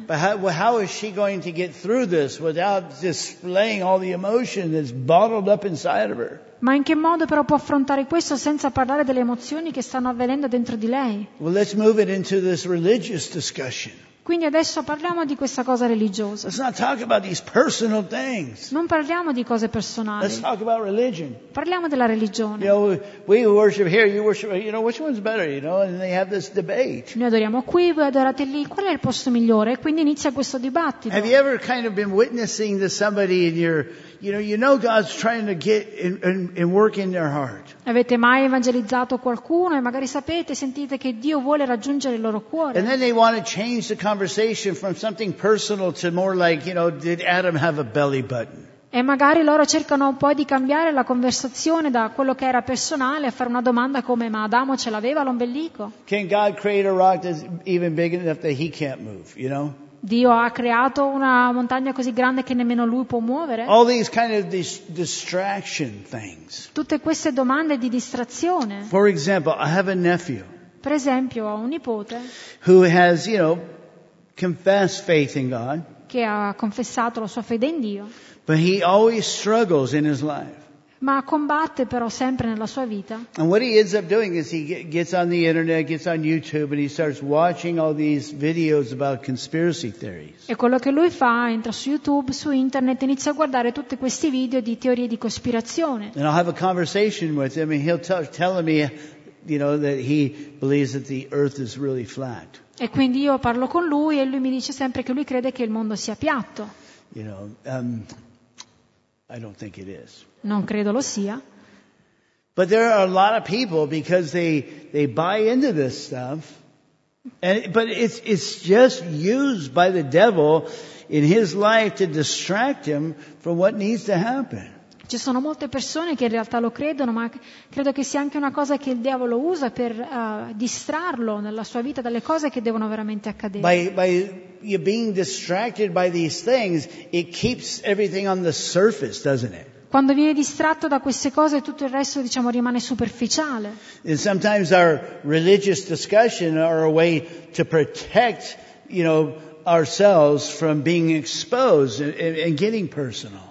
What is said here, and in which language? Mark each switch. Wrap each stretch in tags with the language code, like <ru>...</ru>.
<en>But how is she going to get through this without displaying all the emotion that's bottled up inside of her?</en> <it>Ma in che modo però può affrontare questo senza parlare delle emozioni che stanno avvenendo dentro di lei?</it> <en>Well, let's move it into this religious discussion.</en> <it>Quindi adesso parliamo di questa cosa religiosa.</it> <en>Let's not talk about these personal things.</en> <it>Non parliamo di cose personali.</it> <en>Let's talk about religion.</en> <it>Parliamo della religione.</it> <en>You know, we worship here, you worship here. You know, which one's better, you know? And they have this debate.</en> <it>Noi adoriamo qui, voi adorate lì. Qual è il posto migliore? E quindi inizia questo dibattito.</it> <en>Have you ever kind of been witnessing to somebody in your, you know God's trying to get and work in their heart?</en> <it>Avete mai evangelizzato qualcuno e magari sapete, sentite che Dio vuole raggiungere il loro cuore?</it> <en>And then they want to change the conversation from something personal to more like, you know, did Adam have a belly button?</en> <it>E magari loro cercano poi di cambiare la conversazione da quello che era personale a fare una domanda come: ma Adamo ce l'aveva l'ombelico?</it> <en>Can God create a rock that's even big enough that he can't move, you know?</en> <it>Dio ha creato una montagna così grande che nemmeno lui può muovere?</it> <en>All these kind of distraction things.</en> <it>Tutte queste domande di distrazione.</it> <en>For example, I have a nephew.</en> <it>Per esempio, ho un nipote.</it> <en>Who has, you know, confessed faith in God.</en> <it>Che ha confessato la sua fede in Dio.</it> <en>But he always struggles in his life.</en> <it>Ma combatte però sempre nella sua vita.</it> <en>And what he ends up doing is he gets on the internet, gets on YouTube, and he starts watching all these videos about conspiracy theories.</en> <it>E quello che lui fa, entra su YouTube, su internet, inizia a guardare tutti questi video di teorie di cospirazione.</it> <en>And I'll have a conversation with him, and he'll tell me, you know, that he believes that the earth is really flat.</en> <it>E quindi io parlo con lui e lui mi dice sempre che lui crede che il mondo sia piatto.</it> <en>You know, I don't think it is.</en> <it>Non credo lo sia.</it> <en>But there are a lot of people because they buy into this stuff. And but it's just used by the devil in his life to distract him from what needs to happen.</en> <it>Ci sono molte persone che in realtà lo credono, ma credo che sia anche una cosa che il diavolo usa per distrarlo nella sua vita dalle cose che devono veramente accadere.</it> <en>By you being distracted by these things, it keeps everything on the surface, doesn't it?</en> <it>Quando viene distratto da queste cose, tutto il resto, diciamo, rimane superficiale.</it> <en>And sometimes our religious discussions are a way to protect, you know, ourselves from being exposed and getting personal.</en>